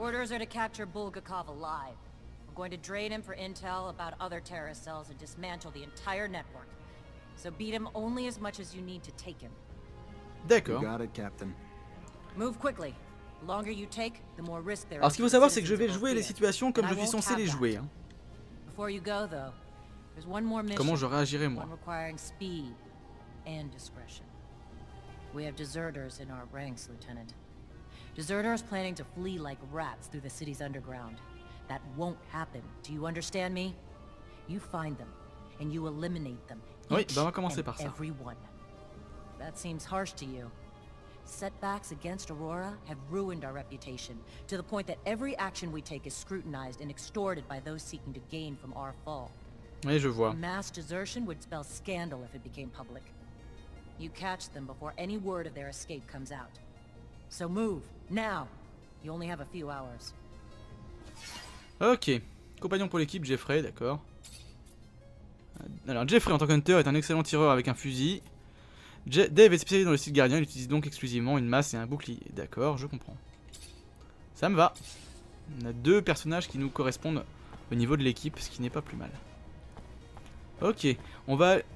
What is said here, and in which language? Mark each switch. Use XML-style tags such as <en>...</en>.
<en>Orders are to capture Bulgakov alive. We're going to drain him for intel about other terrorist cells and dismantle the entire network. So beat him only as much as you need to take him.</en> <fr>D'accord.</fr> <en>You got it, Captain. Move quickly. The longer you take, the more risk there is.</en> <fr>Alors ce qu'il faut savoir, c'est que je vais jouer les situations comme je suis censé les jouer. Hein.</fr> <en>Before you go, though, there's one more mission.</en> <fr>Comment je réagirai, moi?</fr> <en>One requiring speed and discretion. We have deserters in our ranks, Lieutenant. Deserters planning to flee like rats through the city's underground. That won't happen. Do you understand me? You find them, and you eliminate them.</en> <fr>Oui, bah on va commencer par ça.</fr> <en>Everyone. That seems harsh to you. Setbacks against Aurora have ruined our reputation, to the point that every action we take is scrutinized and extorted by those seeking to gain from our fall.</en> <fr>Oui, je vois.</fr> <en>Mass desertion would spell scandal if it became public. You catch them before any word of their escape comes out. So move, now. You only have a few hours. Ok.</en> <fr>Compagnon pour l'équipe, Jeffrey, d'accord. Alors, Jeffrey, en tant qu'hunter, est un excellent tireur avec un fusil. Dave est spécialisé dans le style gardien, il utilise donc exclusivement une masse et un bouclier. D'accord, je comprends. Ça me va. On a deux personnages qui nous correspondent au niveau de l'équipe, ce qui n'est pas plus mal. Ok, on va...</fr>